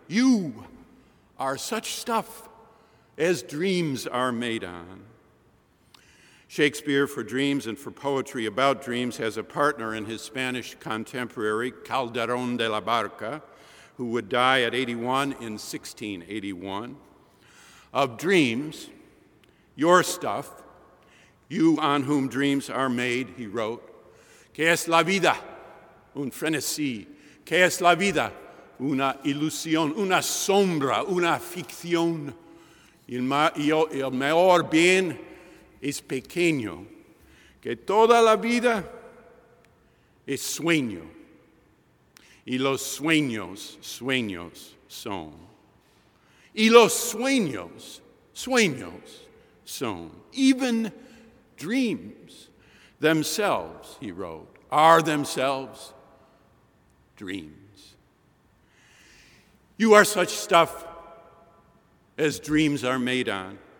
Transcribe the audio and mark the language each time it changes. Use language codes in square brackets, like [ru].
[en] You are such stuff as dreams are made on. Shakespeare, for dreams and for poetry about dreams, has a partner in his Spanish contemporary, Calderón de la Barca, who would die at 81 in 1681. Of dreams, your stuff, you on whom dreams are made, he wrote, [es] que es la vida un frenesí, que es la vida una ilusión, una sombra, una ficción. El mayor bien es pequeño, que toda la vida es sueño, y los sueños, sueños son. Y los sueños, sueños son. [en] Even dreams themselves, he wrote, are themselves dreams. You are such stuff as dreams are made on.